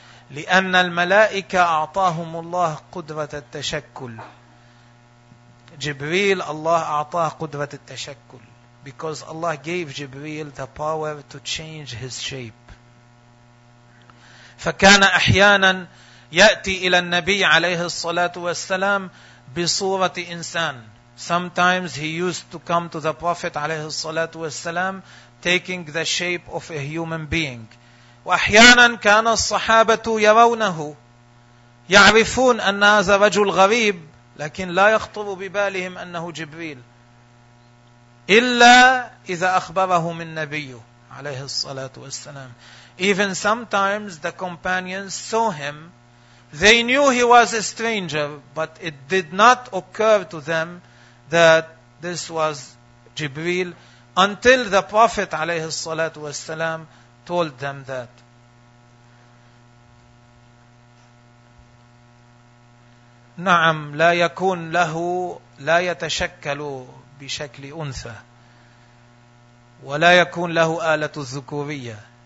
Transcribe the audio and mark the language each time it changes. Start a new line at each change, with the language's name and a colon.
Arabic: لأن الملائكة أعطاهم الله قدرة التشكل. جبريل الله أعطاه قدرة التشكل.
English: Because Allah gave جبريل the power to change his shape.
Arabic: فكان أحيانا يأتي إلى النبي عليه الصلاة والسلام بصورة إنسان.
English: Sometimes he used to come to the Prophet
Arabic: عليه الصلاة والسلام
English: taking the shape of a human being.
Arabic: وأحيانا كان الصحابة يرونه, يعرفون أن هذا رجل غريب, لكن لا يخطر ببالهم أنه جبريل إلا إذا أخبرهم النبي عليه الصلاة والسلام.
English: Even sometimes the companions saw him, they knew he was a stranger, but it did not occur to them that this was Jibreel until the Prophet
Arabic: عليه الصلاة والسلام
English: told them that.
Arabic: نعم لا يكون له لا يتشكل بشكل أنثى ولا يكون له آلة الذكورية.